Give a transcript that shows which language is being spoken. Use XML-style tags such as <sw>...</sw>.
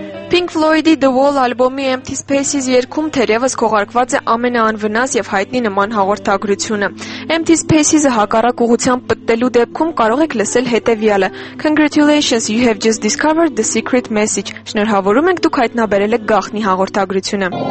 <hy>Pink Floyd-ի The Wall ալբոմի Empty Spaces երգում թերևս քողարկված է ամենաանվնաս և հայտնի նման հաղորդագրությունը։ Empty Spaces-ը հակառակ ուղղությամբ պտտելու դեպքում կարող եք լսել հետևյալը.</hy> <en>Congratulations, you have just discovered the secret message.</en> <hy>Շնորհավորում ենք, դուք հայտնաբերել եք գաղտնի հաղորդագրությունը։</hy>